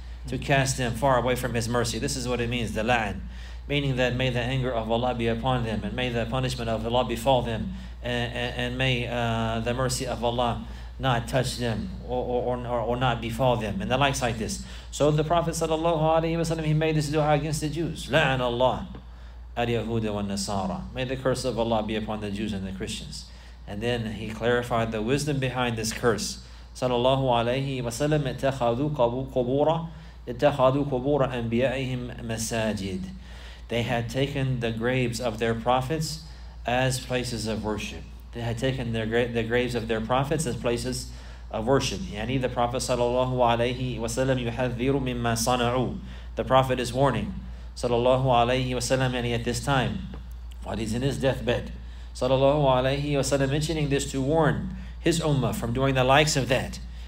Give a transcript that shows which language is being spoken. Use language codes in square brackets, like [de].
[en] To cast them far away from His mercy. This is what it means, the la'an. Meaning that may the anger of Allah be upon them, and may the punishment of Allah befall them, and may the mercy of Allah not touch them or not befall them, and the likes like this. So the Prophet sallallahu alayhi wa sallam, he made this dua against the Jews. [ar] La'an Allah al-Yahuda wa-Nasara. [en] May the curse of Allah be upon the Jews and the Christians. And then he clarified the wisdom behind this curse. [ar] Sallallahu alayhi wa sallam, اتخذوا قبورا اتخذوا قبورا انبيائهم مساجد. [en] They had taken the graves of their prophets as places of worship. They had taken the graves of their prophets as places of worship. [ar] Yani [en] the Prophet [ar] sallallahu alayhi wasallam yuhadhiru mimma sana'u. [en] The Prophet is warning sallallahu alayhi wasallam, yani at this time while he's in his deathbed, sallallahu alayhi wasallam mentioning this to warn his ummah from doing the likes of that.